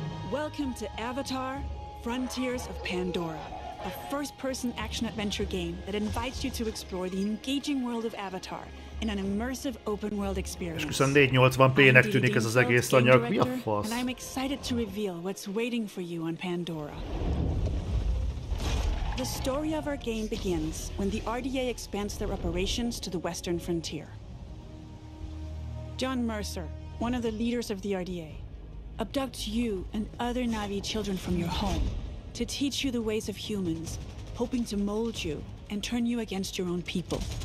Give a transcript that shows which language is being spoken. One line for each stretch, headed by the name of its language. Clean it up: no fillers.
English: Welcome to Avatar: Frontiers of Pandora, a first-person action-adventure game that invites you to explore the engaging world of Avatar in an immersive open-world experience.
Hungarian: És 480p-nek tűnik ez az egész anyag. Mi a fasz?
English: And I'm excited to reveal what's waiting for you on Pandora. The story of our game begins when the RDA expands their operations to the Western frontier. John Mercer, one of the leaders of the RDA, abducts you and other Na'vi children from your home to teach you the ways of humans, hoping to mold you and turn you against your own people.